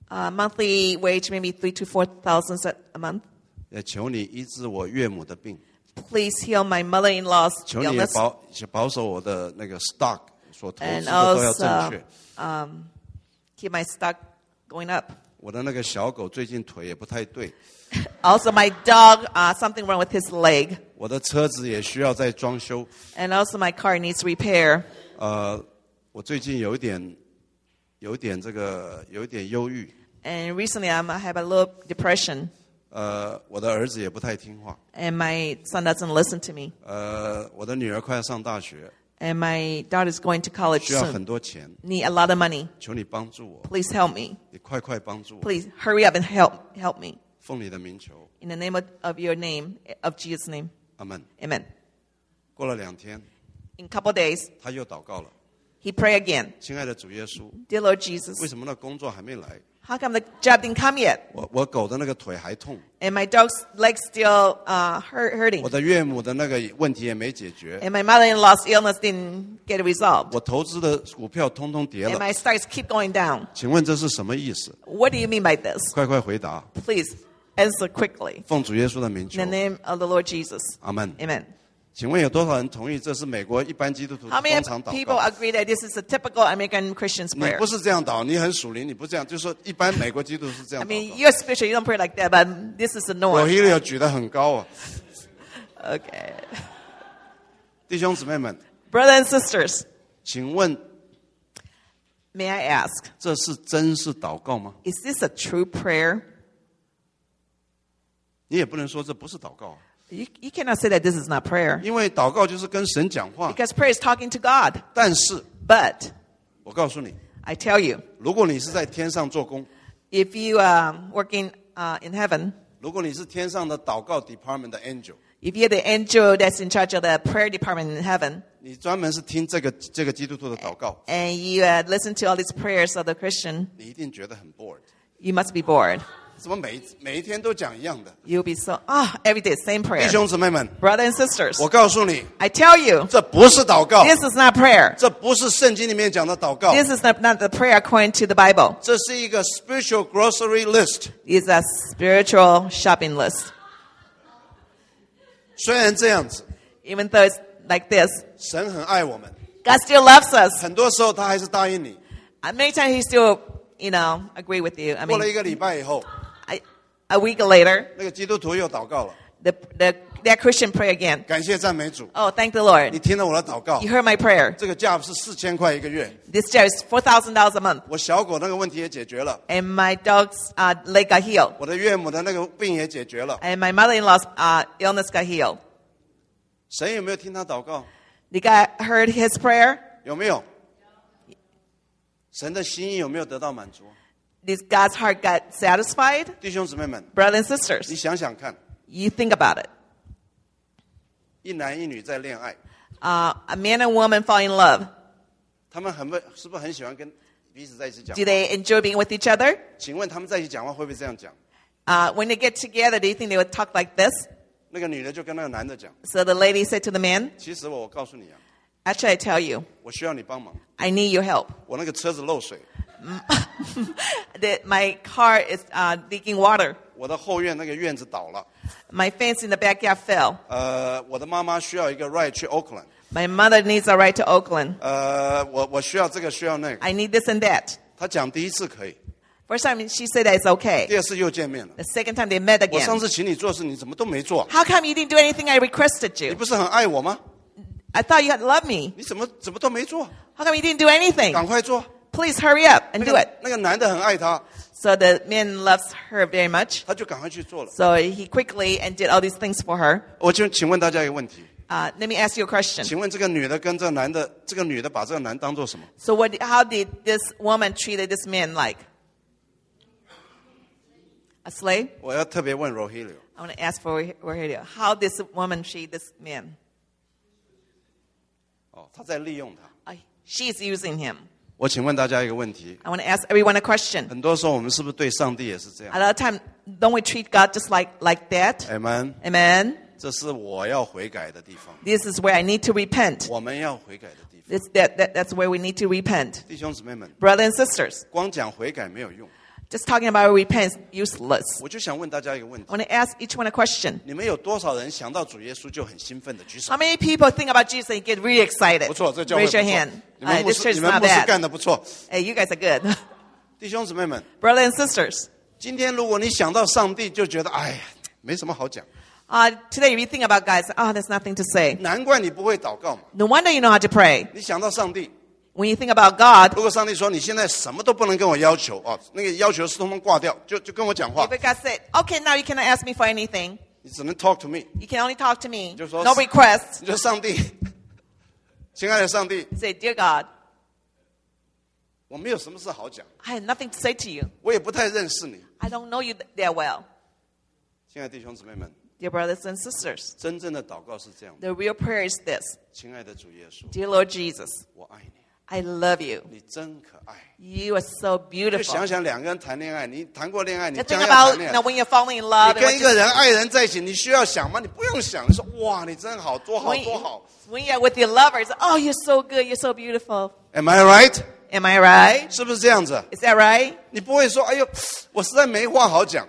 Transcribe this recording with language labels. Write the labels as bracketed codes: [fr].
[en] Monthly wage maybe 3,000 to 4,000 a month. [zh] 求你医治我岳母的病。 [en] Please heal my mother-in-law's illness. [zh] 求你保守我的那个 stock 所投资的都要正确。 [en] Keep my stock going up. [zh] 我的那个小狗最近腿也不太对。 [en] Also, my dog, something wrong with his leg. [zh] 我的车子也需要再装修。 [en] And also, my car needs repair. [zh] 我最近有点忧郁。 [en] And recently, I have a little depression. [zh] 我的儿子也不太听话。 [en] And my son doesn't listen to me. [zh] 我的女儿快要上大学。 [en] And my daughter is going to college soon. [zh] 需要很多钱。 [en] Need a lot of money. [zh] 求你帮助我。 [en] Please help me. [zh] 你快快帮助我。 [en] Please hurry up and help me. [zh] 奉你的名求, [en] in the name of Jesus' name. Amen. Amen. [zh] 过了两天, [en] in a couple of days, [zh] 他又祷告了, [en] he prayed again. [zh] 亲爱的主耶稣, [en] Dear Lord Jesus, [zh] 为什么那工作还没来? [en] How come the job didn't come yet? [zh] 我狗的那个腿还痛, [en] and my dog's leg still hurting. [zh] 我的岳母的那个问题也没解决, [en] and my mother-in-law's illness didn't get resolved. [zh] 我投资的股票通通跌了, [en] and my stocks keep going down. [zh] 请问这是什么意思? [en] What do you mean by this? [zh] 快快回答, [en] please. Answer quickly. [zh] 奉主耶稣的名求, [en] in the name of the Lord Jesus. Amen. Amen. [zh] 请问有多少人同意这是美国一般基督徒通常祷告? [en] How many people agree that this is a typical American Christian's prayer? [zh] 你不是这样祷, 你很属灵, 你不这样, 就是说一般美国基督徒是这样祷告。 [en] I mean, you're spiritual, you don't pray like that, but this is the norm. [zh] Rogelio 举得很高啊。 [en] Okay. [zh] 弟兄姊妹们, [en] brothers and sisters, [zh] 请问, [en] may I ask, [zh] 这是真是祷告吗? [en] Is this a true prayer? [zh] 你也不能说这不是祷告。 [en] You cannot say that this is not prayer. [zh] 因为祷告就是跟神讲话。 [en] Because prayer is talking to God. [zh] 但是, [en] but, [zh] 我告诉你, [en] I tell you, [zh] 如果你是在天上做工, [en] if you are working in heaven, [zh] 如果你是天上的祷告 department 的 angel, [en] if you're the angel that's in charge of the prayer department in heaven, [zh] 你专门是听这个基督徒的祷告 [en] and you listen to all these prayers of the Christian, [zh] 你一定觉得很 bored. [en] You must be bored. [zh] 怎么每一天都讲一样的 [en] You'll be so, every day, same prayer. [zh] 弟兄姊妹们 [en] brothers and sisters, [zh] 我告诉你 [en] I tell you, [zh] 这不是祷告 [en] this is not prayer. [zh] 这不是圣经里面讲的祷告 [en] this is not the prayer according to the Bible. [zh] 这是一个 [en] spiritual grocery list. It's a spiritual shopping list. [zh] 虽然这样子 [en] even though it's like this, [zh] 神很爱我们 [en] God still loves us. [zh] 很多时候他还是答应你 [en] many times he still, you know, agree with you. I mean, [zh] 过了一个礼拜以后 [en] A week later, [zh] 那个基督徒又祷告了。 [en] That Christian pray again. [zh] 感谢赞美主。 [en] Oh, thank the Lord. [zh] 你听了我的祷告。 [en] You heard my prayer. [zh] 这个价是4000块一个月。 [en] This chair is $4,000 a month. [zh] 我小狗那个问题也解决了。 [en] And my dog's leg got healed. [zh] 我的岳母的那个病也解决了。 [en] And my mother-in-law's illness got healed. [zh] 神有没有听他祷告？ [en] Did God heard his prayer? [zh] 有没有？神的心意有没有得到满足？ [en] Did God's heart get satisfied? [zh] 弟兄姊妹们 [en] Brothers and sisters, [zh] 你想想看 [en] You think about it. [zh] 一男一女在恋爱 [en] A man and woman fall in love. [zh] 他们很是不是很喜欢跟彼此在一起讲话 [en] Do they enjoy being with each other? [zh] 请问他们在一起讲话会不会这样讲 [en] When they get together, do you think they would talk like this? [zh] 那个女的就跟那个男的讲 [en] So the lady said to the man, [zh] 其实我告诉你啊 [en] Actually, I tell you, [zh] 我需要你帮忙 [en] I need your help. [zh] 我那个车子漏水 [en] My car is leaking water. [zh] 我的后院那个院子倒了。 [en] My fence in the backyard fell. [zh] 我的妈妈需要一个 ride 去 Oakland. [en] My mother needs a ride to Oakland. [zh] 我需要这个需要那个。 [en] I need this and that. [zh] 她讲第一次可以。 [en] First time she said that it's okay. [zh] 第二次又见面了。 [en] The second time they met again. [zh] 我上次请你做事，你怎么都没做 [en] ？How come you didn't do anything I requested you? [zh] 你不是很爱我吗 [en] ？I thought you had loved me. [zh] 你怎么都没做 [en] ？How come you didn't do anything? [zh] 赶快做。 [en] Please hurry up and do it. [zh] 那个男的很爱她。 [en] So the man loves her very much. [zh] 他就赶快去做了。 [en] So he quickly and did all these things for her. [zh] 我就请问大家一个问题。 [en] Let me ask you a question. [zh] 请问这个女的跟这个男的，这个女的把这个男当做什么 [en] ？So what? How did this woman treat this man like? A slave? [zh] 我要特别问 Rogelio. [en] I want to ask for Rogelio. How did this woman treat this man? [zh] 哦，她在利用他。 [en] She's using him. [zh] 我请问大家一个问题。 [en] I want to ask everyone a question. [zh] 很多时候我们是不是对上帝也是这样 [en] ？A lot of time, don't we treat God just like that? Amen. Amen. [zh] 这是我要悔改的地方。 [en] This is where I need to repent. [zh] 我们要悔改的地方。 [en] That's where we need to repent. [zh] 弟兄姊妹们 [en] ，Brothers and sisters. [zh] 光讲悔改没有用。 [en] Just talking about repent is useless. [zh] 我就想问大家一个问题。 [en] I want to ask each one a question. [zh] 你们有多少人想到主耶稣就很兴奋的举手 [en] ？How many people think about Jesus and get really excited? [zh] 不错，这教会。 [en] Raise your hand. [zh] 你们牧师干的不错。 [en] Hey, you guys are good. [zh] 弟兄姊妹们 [en] ，Brothers and sisters. [zh] 今天如果你想到上帝，就觉得哎呀，没什么好讲。 [en] Today if you think about God, there's nothing to say. [zh] 难怪你不会祷告嘛。 [en] No wonder you know how to pray. [zh] 你想到上帝。 [en] When you think about God, [zh] 如果上帝说你现在什么都不能跟我要求、哦、那个要求是通通挂掉 就跟我讲话 [en] If God said, okay, now you cannot ask me for anything. [zh] 你只能 [en] talk to me. You can only talk to me. [zh] 就说 [en] No request. [zh] 你就上帝亲爱的上帝 [en] Say, dear God, [zh] 我没有什么事好讲 [en] I have nothing to say to you. [zh] 我也不太认识你 [en] I don't know you that well. [zh] 亲爱的弟兄姊妹们 [en] Dear brothers and sisters, [zh] 真正的祷告是这样 [en] The real prayer is this. [zh] 亲爱的主耶稣 [en] Dear Lord Jesus, [zh] 我爱你 [en] I love you. [zh] 你真可爱。 [en] You are so beautiful. [zh] 就想想两个人谈恋爱，你谈过恋爱，你将要谈恋爱。 [en] Think about now when you're falling in love. [zh] 你跟一个人爱人在一起，你需要想吗？你不用想，你说哇，你真好，多好多好。 [en] When you're with your lover, it's oh, you're so good, you're so beautiful. Am I right? Am I right? [zh] 是不是这样子 [en] ？Is that right? [zh] 你不会说哎呦，我实在没话好讲。